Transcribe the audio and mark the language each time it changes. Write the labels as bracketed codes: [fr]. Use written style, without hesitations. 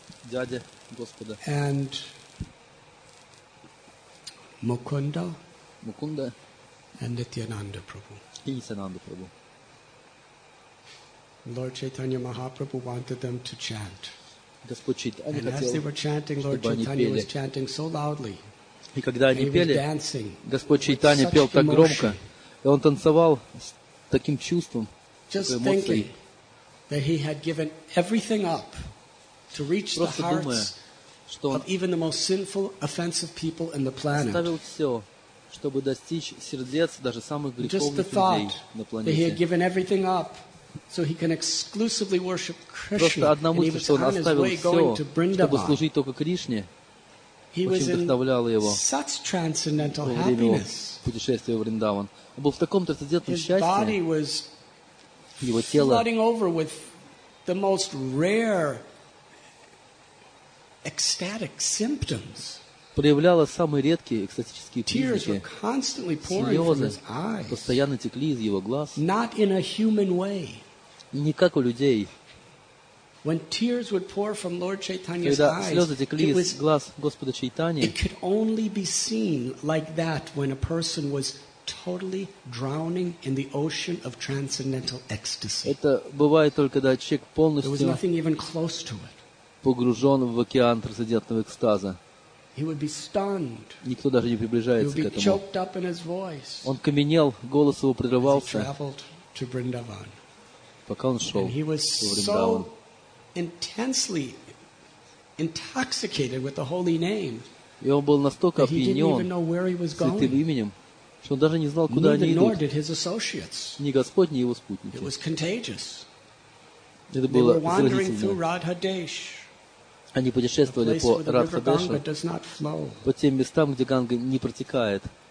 [ru] дядя Господа. [en] And Mukunda, Mukunda, and Nityananda Prabhu. He is Ananda Prabhu. Lord Chaitanya Mahaprabhu wanted them to chant. [ru] Господь Чайтанья хотел, [en] and as they were chanting, Lord Chaitanya was chanting so loudly. [ru] И когда они пели, [en] dancing, [ru] Господь Чайтанья пел так громко, и он танцевал с таким чувством, [en] just [ru] такой эмоцией. [en] That he had given everything up to reach [ru] просто [en] the hearts. [ru] Думая, [en] of even the most sinful, offensive people in the planet. Just the thought that he had given everything up so he can exclusively worship Krishna. And he was on his way going to Vrindavan. He was in such transcendental happiness. His body was flooding over with the most rare ecstatic symptoms. [ru] Проявляла самые редкие экстатические признаки. [en] Tears were constantly pouring from his eyes. [ru] Постоянно текли из его глаз. [en] Not in a human way. [ru] Не как у людей. [en] When tears would pour from Lord Chaitanya's [ru] когда [en] eyes, [ru] слезы текли из глаз Господа Чайтаньи, [en] it could only be seen like that when a person was totally drowning in the ocean of transcendental ecstasy. [ru] Это бывает только когда человек полностью. [en] There was nothing even close to it. [ru] Погружен в океан трансцендентного экстаза. [en] He would be stunned. [ru] Никто даже не приближается [en] he would be [ru] к этому. [en] Choked up in his voice. [ru] Он каменел, голос его прерывался, [en] as he traveled to Vrindavan. [ru] Пока он шел. [en] And he was so intensely intoxicated with the holy name. [ru] И он был настолько опьянен святым именем, что он даже не знал, куда они идут. [en] Nor did his associates. [ru] Ни Господь, ни его спутники. [en] It was contagious. [ru] Это было заразительно. Они путешествовали по Радха-Деше, по тем местам, где Ганга не протекает.